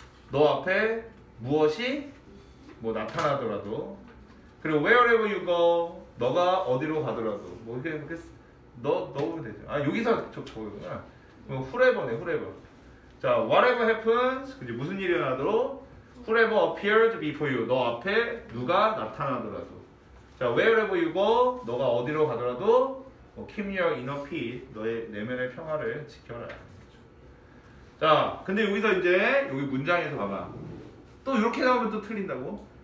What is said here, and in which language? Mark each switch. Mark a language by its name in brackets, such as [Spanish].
[Korean] 너 앞에 무엇이 뭐 나타나더라도 그리고 [English] wherever you go. [Korean] 너가 어디로 가더라도 뭐 이렇게 너 넣으면 되죠. 아 여기서 적어보구나. 그럼 whatever네 whatever. [English] 자 whatever happens [Korean] 그지 무슨 일이 일어나도록 [English] whatever appears before you. [Korean] 너 앞에 누가 나타나더라도. 자 [English] wherever you go [Korean] 너가 어디로 가더라도 뭐, [English] keep your inner peace [Korean] 너의 내면의 평화를 지켜라. 자 근데 여기서 이제 여기 문장에서 봐봐. 또 이렇게 나오면 또 틀린다고.